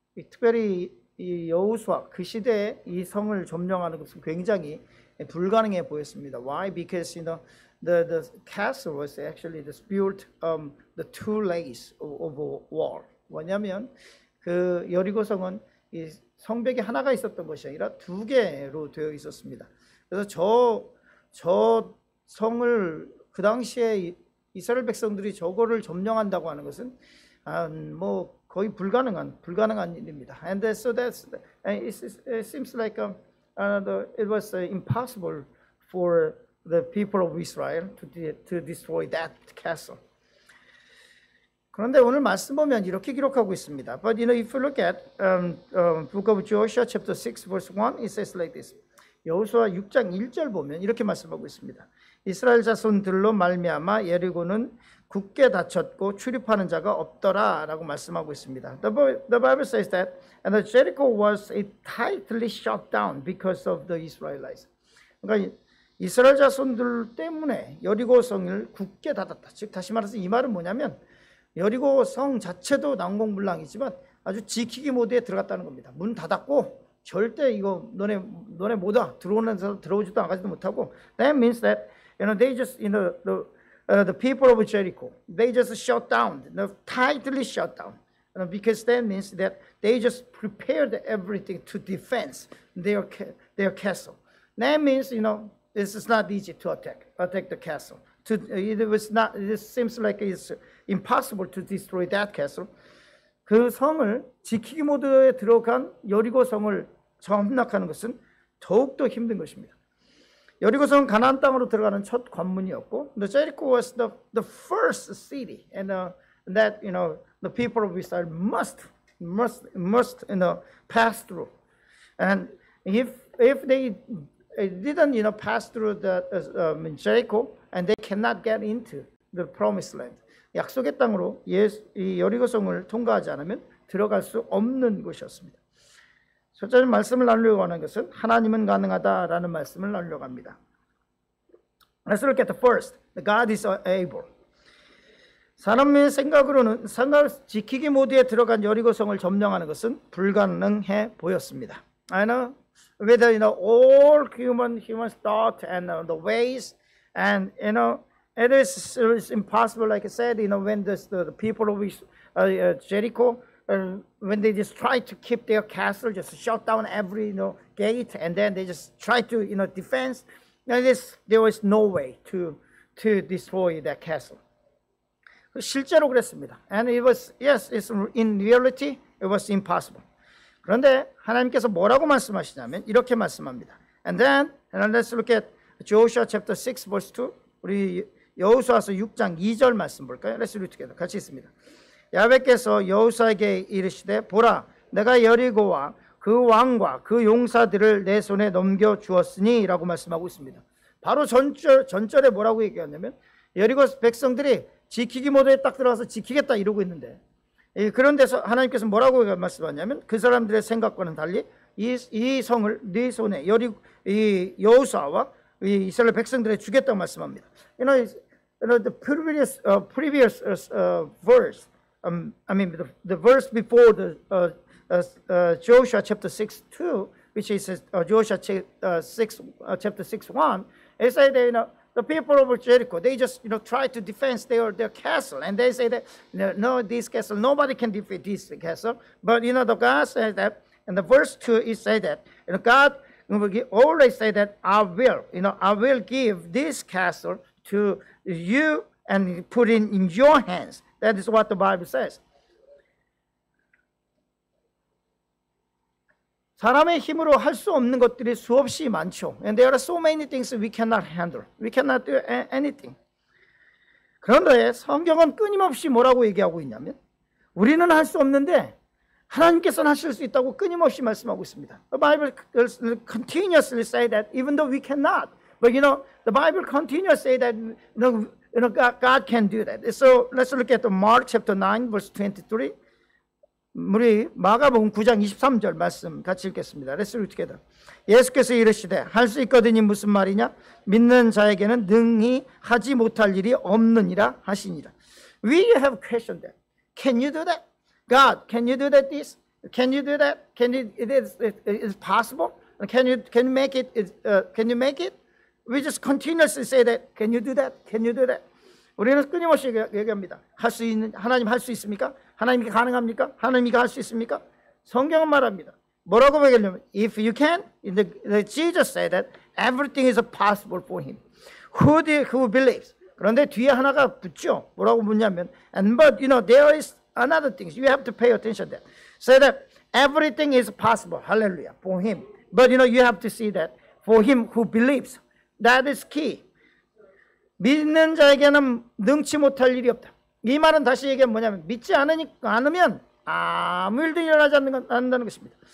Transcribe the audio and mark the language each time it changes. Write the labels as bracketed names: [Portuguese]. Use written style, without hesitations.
[Korean] 특별히 이 여호수아 그 시대에 이 성을 점령하는 것은 굉장히 불가능해 보였습니다. [English] Why? Because you know the castle was actually just built the two legs of a wall. [Korean] 뭐냐면 그 여리고성은 이 성벽이 하나가 있었던 것이 아니라 두 개로 되어 있었습니다. 그래서 저 성을 그 당시에 이스라엘 백성들이 저거를 점령한다고 하는 것은 뭐 거의 불가능한 일입니다. [English] And so that's it seems like it was impossible for the people of Israel to destroy that castle. [Korean] 그런데 오늘 말씀 보면 이렇게 기록하고 있습니다. [English] But you know, if you look at Book of Joshua chapter 6 verse 1, it says like this. [Korean] 여호수아 6장 1절 보면 이렇게 말씀하고 있습니다. 이스라엘 자손들로 말미암아 예리고는 굳게 닫혔고 출입하는 자가 없더라라고 말씀하고 있습니다. [English] The Bible says that and the Jericho was tightly shut down because of the Israelites. [Korean] 그러니까 이스라엘 자손들 때문에 여리고 성을 굳게 닫았다. 즉 다시 말해서 이 말은 뭐냐면 여리고 성 자체도 난공불락이지만 아주 지키기 모드에 들어갔다는 겁니다. 문 닫았고 절대 이거 너네 못 와. 들어오는 사람 들어오지도 안가지도 못하고. [English] That means that you know they just you know the people of Jericho they just shut down, you know, tightly shut down. You know, because that means that they just prepared everything to defense their castle. That means you know this is not easy to attack the castle. It seems like it's impossible to destroy that castle. [Korean] 그 성을 지키기 모드에 들어간 여리고 성을 점령하는 것은 더욱더 힘든 것입니다. 여리고 성은 가나안 땅으로 들어가는 첫 관문이었고, [English] the Jericho was the first city and that you know the people of Israel must you know pass through. And if they didn't you know pass through that Jericho and they cannot get into the promised land. [Korean] 약속의 땅으로 이 여리고 성을 통과하지 않으면 들어갈 수 없는 곳이었습니다. 첫째는 말씀을 나누려고 하는 것은 하나님은 가능하다라는 말씀을 나누려고 합니다. [English] Let's look at the first. God is able. [Korean] 사람의 생각으로는 성을 지키기 모드에 들어간 여리고 성을 점령하는 것은 불가능해 보였습니다. [English] I know with you know all human thought and the ways and you know It is impossible, like I said, you know, when the people of Jericho, when they just try to keep their castle, just shut down every, you know, gate, and then they just try to, you know, defense, and there was no way to destroy that castle. [Korean] 실제로 그랬습니다. [English] And it was, yes, it's, in reality, it was impossible. [Korean] 그런데 하나님께서 뭐라고 말씀하시냐면, 이렇게 말씀합니다. [English] And then let's look at Joshua chapter 6, verse 2. [Korean] 우리 여호수아서 6장 2절 말씀 볼까요? [English] Let's read together. [Korean] 같이 있습니다. 야훼께서 여호수아에게 이르시되 보라 내가 여리고와 그 왕과 그 용사들을 내 손에 넘겨 주었으니 라고 말씀하고 있습니다. 바로 전절에 뭐라고 얘기하냐면 여리고 백성들이 지키기 모드에 딱 들어가서 지키겠다 이러고 있는데 그런데서 하나님께서 뭐라고 말씀하냐면 그 사람들의 생각과는 달리 이 성을 네 손에 이 여호수아와 이 이스라엘 백성들에게 주겠다고 말씀합니다. [English] You know the previous verse, the verse before the Joshua chapter 6:2, which is Joshua chapter 6:1, they say that you know the people of Jericho, they just you know try to defend their castle, and they say that no, this castle nobody can defeat this castle, but you know the God says that, and the verse 2 is say that you know God. We always say that I will give this castle to you and put it in your hands. That is what the Bible says. [Korean] 사람의 힘으로 할 수 없는 것들이 수없이 많죠. [English] And there are so many things we cannot handle. We cannot do anything. [Korean] 그런데 성경은 끊임없이 뭐라고 얘기하고 있냐면 우리는 할 수 없는데 하나님께서는 하실 수 있다고 끊임없이 말씀하고 있습니다. [English] The Bible continuously say that even though we cannot, but you know, the Bible continuously say that you know, God can do that. So let's look at the Mark chapter 9 verse 23. [Korean] 우리 마가복음 9장 23절 말씀 같이 읽겠습니다. [English] Let's read together. [Korean] 예수께서 이르시되 할 수 있거든이 무슨 말이냐? 믿는 자에게는 능히 하지 못할 일이 없느니라 하시니라. [English] We have questioned that. Can you do that? God, can you do that? This? Can you do that? Can you? It is possible? Can you make it? Can you make it? We just continuously say that. Can you do that? Can you do that? [Korean] 우리는 끊임없이 얘기합니다. 하나님 할 수 있습니까? 하나님이 가능합니까? 하나님이 할 수 있습니까? 성경은 말합니다. 뭐라고 얘기하냐면, [English] If you can, Jesus said that everything is possible for him. Who believes? [Korean] 그런데 뒤에 하나가 붙죠. 뭐라고 묻냐면, [English] but you know there is. Another thing, you have to pay attention to that. Say that everything is possible, hallelujah, for him. But you know, you have to see that for him who believes. That is key. [Korean] 믿는 자에게는 능치 못할 일이 없다. 이 말은 다시 얘기하면 뭐냐면 믿지 않으면 아무 일도 일어나지 않는다는 것입니다.